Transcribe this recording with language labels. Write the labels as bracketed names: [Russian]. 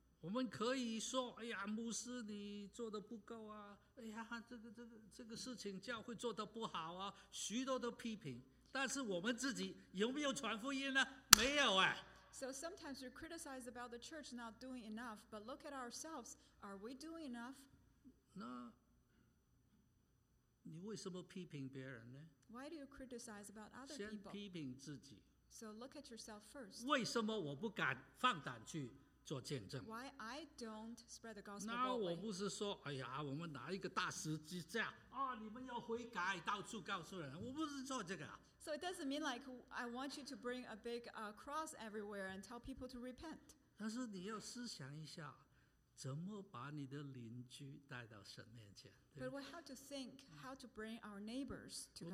[Chinese] 我们可以说，哎呀，牧师你做的不够啊，哎呀，这个事情教会做的不好啊，许多的批评。但是我们自己有没有传福音呢？没有啊。 [English] So sometimes we criticize about the church not doing enough, but look at ourselves, are we doing enough? [Chinese] 那你为什么批评别人呢？ [English] Why do you criticize about other people? [Chinese] 先批评自己。 [English] So look at yourself first. [Chinese] 为什么我不敢放胆去做见证？ [English] Why I don't spread the gospel? [Chinese] 那我不是说，哎呀，我们拿一个大十字架，啊，你们要悔改，到处告诉人。我不是做这个。 [English] So it doesn't mean like I want you to bring a big cross everywhere and tell people to repent. [Chinese] 但是你要思想一下，怎么把你的邻居带到神面前？ [English] But we have to think how to bring our neighbors to God.